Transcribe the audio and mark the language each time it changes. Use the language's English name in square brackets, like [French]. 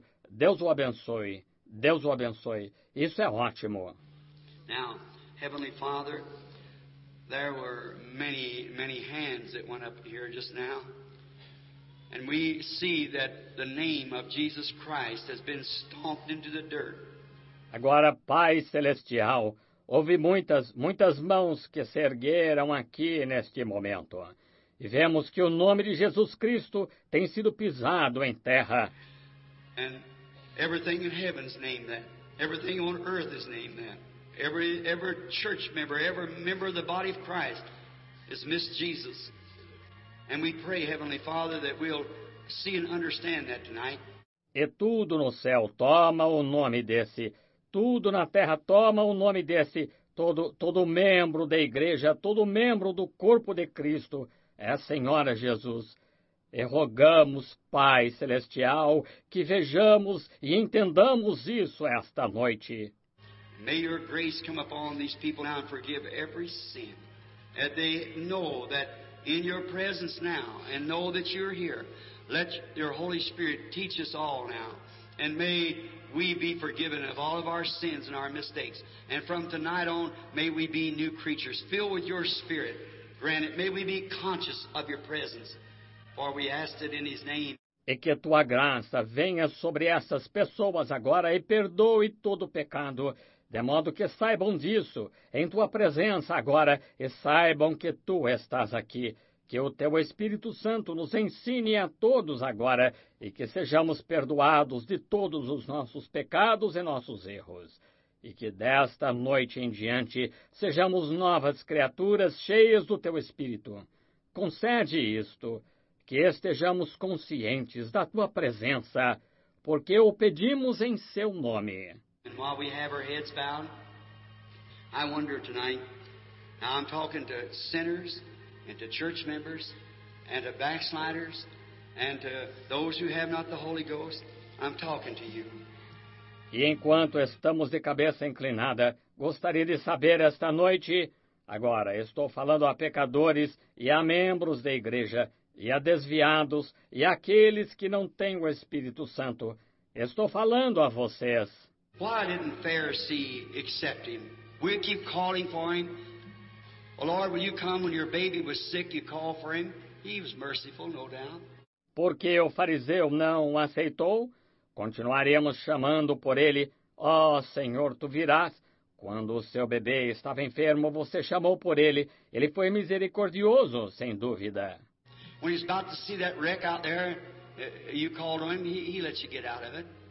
[Portuguese] Deus o abençoe, Deus o abençoe. Isso é ótimo. [English] Now, Heavenly Father, there were many, many hands that went up here just now. And we see that the name of Jesus Christ has been stomped into the dirt. [Portuguese] Agora, Pai Celestial, houve muitas mãos que se ergueram aqui neste momento. E vemos que o nome de Jesus Cristo tem sido pisado em terra. [English] And everything in heaven's name that. Everything on earth is named that. Every church member, every member of the body of Christ is Miss Jesus. And we pray, Heavenly Father, that we'll see and understand that tonight. [Portuguese] E tudo no céu toma o nome desse. Tudo na terra toma o nome desse. Todo membro da igreja, todo membro do corpo de Cristo é a Senhora Jesus. E rogamos, Pai Celestial, que vejamos e entendamos isso esta noite. [English] May your grace come upon these people now and forgive every sin. That they know that in your presence now and know that you're here. Let your Holy Spirit teach us all now. And may we be forgiven of all of our sins and our mistakes. And from tonight on, may we be new creatures, filled with your Spirit. Granted, may we be conscious of your presence. For we ask it in his name. [Portuguese] E que a tua graça venha sobre essas pessoas agora e perdoe todo o pecado. De modo que saibam disso, em tua presença agora, e saibam que tu estás aqui. Que o teu Espírito Santo nos ensine a todos agora, e que sejamos perdoados de todos os nossos pecados e nossos erros. E que desta noite em diante, sejamos novas criaturas cheias do teu Espírito. Concede isto, que estejamos conscientes da tua presença, porque o pedimos em seu nome. [English] And while we have our heads bowed, I wonder tonight, now I'm talking to sinners and to church members and to backsliders and to those who have not the Holy Ghost, I'm talking to you. [Portuguese] E enquanto estamos de cabeça inclinada, gostaria de saber esta noite, agora estou falando a pecadores e a membros da igreja e a desviados e àqueles que não têm o Espírito Santo, estou falando a vocês. [English] Why didn't Pharisee accept him? We'll keep calling for him. Oh, Lord, will you come when your baby was sick, you call for him? He was merciful, no doubt. [Portuguese] Por que o fariseu não o aceitou? Continuaremos chamando por ele. Oh, Senhor, tu virás. Quando o seu bebê estava enfermo, você chamou por ele. Ele foi misericordioso, sem dúvida. [English] When he's about to see that wreck out there, you called on him, he let you get out of it.